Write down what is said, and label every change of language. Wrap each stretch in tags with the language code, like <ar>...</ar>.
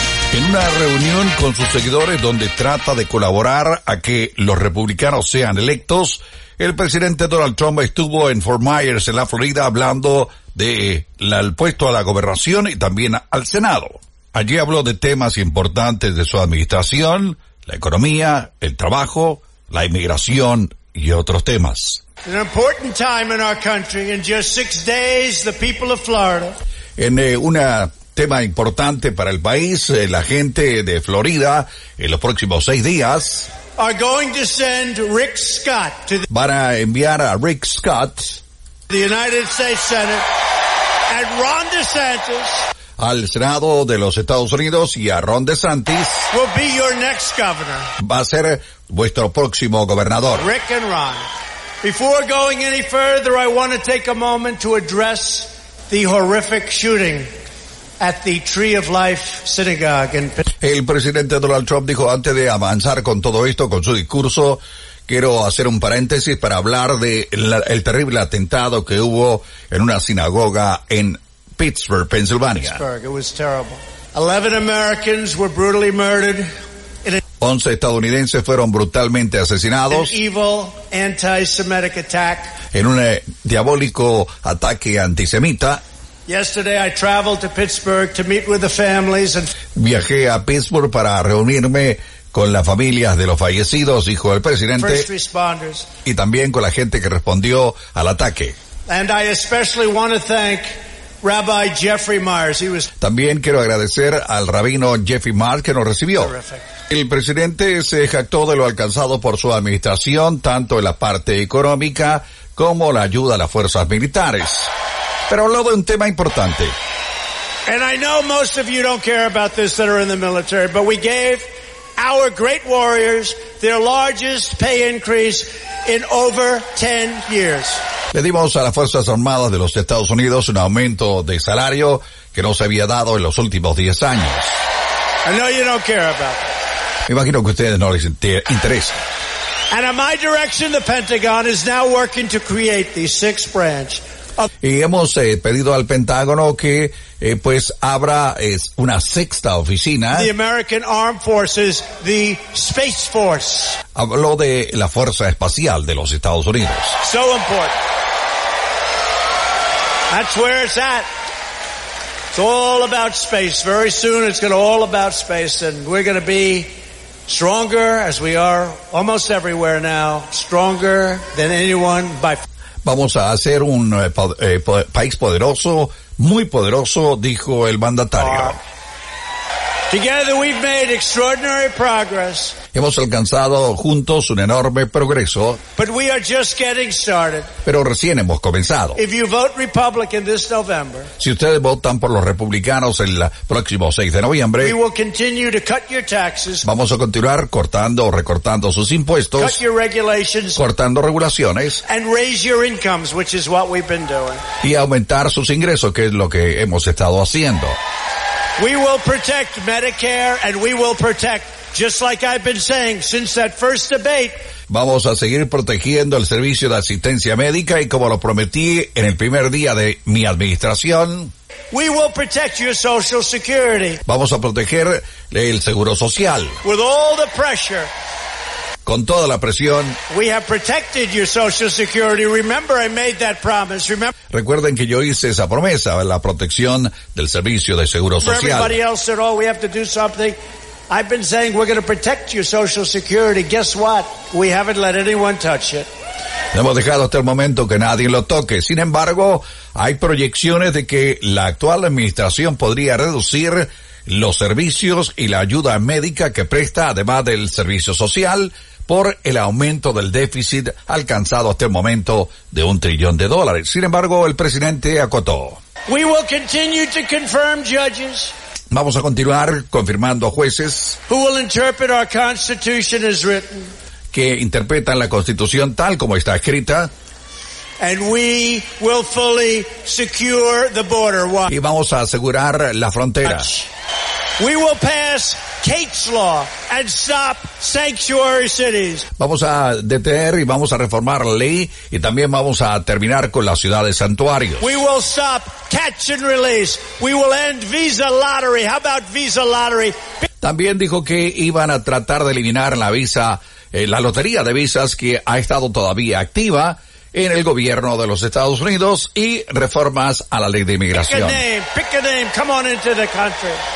<es>En una reunión con sus seguidores donde trata de colaborar a que los republicanos sean electos, el presidente Donald Trump estuvo en Fort Myers, en la Florida, hablando de el puesto a la gobernación y también al Senado. Allí habló de temas importantes de su administración, la economía, el trabajo, la inmigración y otros temas.</es> <en>An important time in our country. In just six days, the people of Florida.</en> <es>En una tema importante para el país, la gente de Florida, en los próximos seis días</es> <en>are going to send Rick Scott to the,</en> <es>van a enviar a Rick Scott</es> <en>the United States Senate, and Ron DeSantis,</en> <es>al Senado de los Estados Unidos, y a Ron DeSantis</es> <en>will be your next governor.</en> <es>Va a ser vuestro próximo gobernador.</es> <en>Rick and Ron. Before going any further, I want to take a moment to address the horrific shooting at the Tree of Life Synagogue in Pittsburgh.</en> <es>El presidente Donald Trump dijo, antes de avanzar con todo esto, con su discurso, quiero hacer un paréntesis para hablar de el terrible atentado que hubo en una sinagoga en Pittsburgh, Pennsylvania.</es> <en>Pittsburgh, it was terrible. 11 Americans were brutally murdered.</en> <es>11 estadounidenses fueron brutalmente asesinados.</es> <en>An evil anti-Semitic attack.</en> <es>En un diabólico ataque antisemita.</es> <en>Yesterday I traveled to Pittsburgh to meet with the families and</en> <es>viajé a Pittsburgh para reunirme con las familias de los fallecidos, dijo el presidente,</es> <en>first responders,</en> <es>y también con la gente que respondió al ataque.</es> <en>And I especially want to thank Rabbi Jeffrey Myers. He was</en> <es>también quiero agradecer al rabino Jeffrey Myers que nos recibió.</es> <en>Terrific.</en> <es>El presidente se jactó de lo alcanzado por su administración, tanto en la parte económica como la ayuda a las fuerzas militares. Pero habló de un tema importante.</es> <en>And I know most of you don't care about this that are in the military, but we gave our great warriors their largest pay increase in over 10 years.</en> <es>Le dimos a las Fuerzas Armadas de los Estados Unidos un aumento de salario que no se había dado en los últimos 10 años.</es> <en>I know you don't care about it.</en> <es>Imagino que a ustedes no les interesa.</es> <en>And in my direction, the Pentagon is now working to create the sixth branch.</en> <es>Y hemos pedido al Pentágono que pues abra una sexta oficina.</es> <en>The American Armed Forces, the Space Force.</en> <es>Habló de la Fuerza Espacial de los Estados Unidos.</es> <en>So important. That's where it's at. It's all about space. Very soon it's going to all about space and we're going to be stronger as we are almost everywhere now, stronger than anyone by</en> <es>vamos a hacer un país poderoso, muy poderoso, dijo el mandatario.</es> <en>Together we've made extraordinary progress.</en> <es>Hemos alcanzado juntos un enorme progreso.</es> <en>But we are just getting started.</en> <es>Pero recién hemos comenzado.</es> <en>If you vote Republican this November,</en> <es>si ustedes votan por los republicanos el próximo 6 de noviembre,</es> <en>we will continue to cut your taxes,</en> <es>vamos a continuar cortando o recortando sus impuestos,</es> <en>cut your regulations,</en> <es>cortando regulaciones,</es> <en>and raise your incomes, which is what we've been doing.</en> <es>Y aumentar sus ingresos, que es lo que hemos estado haciendo.</es> <en>We will protect Medicare and we will protect, just like I've been saying since that first debate.</en> <es>Vamos a seguir protegiendo el servicio de asistencia médica y como lo prometí en el primer día de mi administración.</es> <en>We will protect your social security.</en> <es>Vamos a proteger el seguro social.</es> <en>With all the pressure.</en> <es>Con toda la presión.</es> <en>We have protected your social security. Remember, I made that promise. Remember.</en> <es>Recuerden que yo hice esa promesa, la protección del servicio de seguro social.</es> <en>Everybody else said, "Oh, we have to do something." I've been saying we're going to protect your social security. Guess what? We haven't let anyone touch it.</en> <es>No hemos dejado hasta el momento que nadie lo toque. Sin embargo, hay proyecciones de que la actual administración podría reducir los servicios y la ayuda médica que presta, además del servicio social, por el aumento del déficit alcanzado hasta el momento de $1 trillion. Sin embargo, el presidente acotó.</es> <en>We will continue to confirm judges.</en> <es>Vamos a continuar confirmando a jueces.</es> <en>Who will interpret our constitution as written?</en> <es>Que interpretan la constitución tal como está escrita.</es> <en>And we will fully secure the border.</en> <es>Y vamos a asegurar la frontera.</es> <en>We will pass Kate's Law and stop sanctuary cities.</en> <es>Vamos a detener y vamos a reformar la ley y también vamos a terminar con las ciudades santuarios.</es> <en>We will stop catch and release. We will end visa lottery. How about visa lottery?</en> <es>También dijo que iban a tratar de eliminar la visa, la lotería de visas que ha estado todavía activa en el gobierno de los Estados Unidos y reformas a la ley de inmigración.</es> <en>Pick a name, come on into the country.</en>